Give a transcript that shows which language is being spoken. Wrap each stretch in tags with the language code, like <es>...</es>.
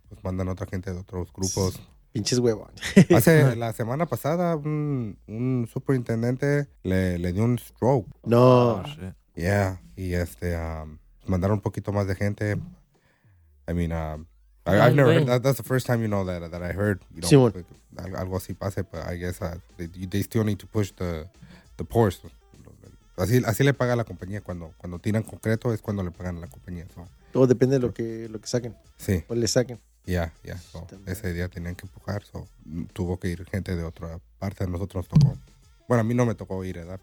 <es>Pues mandan a otra gente de otros grupos. Pinches huevón. Hace la semana pasada, un superintendente le dio un stroke. No.</es> <en>Oh, shit.</en> <es>Yeah, y mandaron un poquito más de gente.</es> <en>I mean, I've never heard that. That's the first time, you know, that I heard,</en> <es>algo así pase,</es> <en>but I guess they still need to push the pores.</en> <es>Así le paga la compañía. Cuando tiran concreto es cuando le pagan a la compañía.</es> <en>So,</en> <es>todo depende de lo que saquen. Sí. O le saquen. Yeah. So, ese día tenían que empujar. So, tuvo que ir gente de otra parte. A nosotros nos tocó. Bueno, a mí no me tocó ir, ¿verdad?</es>